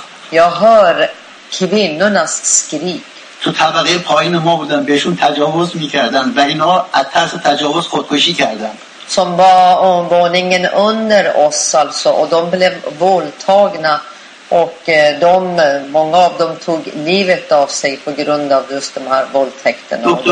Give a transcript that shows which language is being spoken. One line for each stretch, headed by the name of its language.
Swedish: Jag hör kvinnornas skrik.
Persian: تو طبقه پایین ما بودن بهشون تجاوز میکردن و اینا از ترس تجاوز خودکشی کردن.
Swedish: Som var våningen under oss alltså, och de blev våldtagna och de, många av dem tog livet av sig på grund av just de här våldtäkterna.